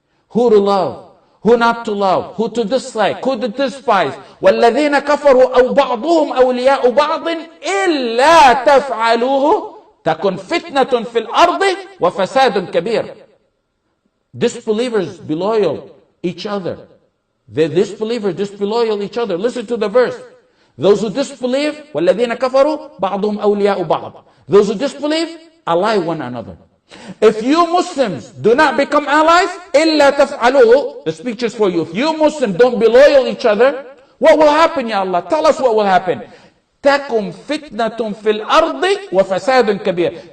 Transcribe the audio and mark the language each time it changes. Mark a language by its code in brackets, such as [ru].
[en] Who to love, who not to love, who to dislike, who to despise. [ar] وَالَّذِينَ كَفَرُوا أَوْ بَعْضُهُمْ أَوْلِيَاءُ بَعْضٍ إِلَّا تَفْعَلُوهُ تَكُنْ فِتْنَةٌ فِي الْأَرْضِ وَفَسَادٌ كَبِيرٌ. [en] Disbelievers be loyal each other. The disbelievers disbe loyal each other. Listen to the verse. [ar] Those who disbelieve, وَالَّذِينَ كَفَرُوا بَعْضُهُمْ أَوْلِيَاءُ بَعْضٍ. [en] Those who disbelieve, ally one another. If you Muslims do not become allies, إِلَّا تَفْعَلُوهُ. The speech is for you. If you Muslims don't be loyal to each other, what will happen, Ya Allah? Tell us what will happen. [ar] تَكُمْ فِتْنَةٌ فِي الْأَرْضِ وَفَسَادٌ كَبِيرٌ.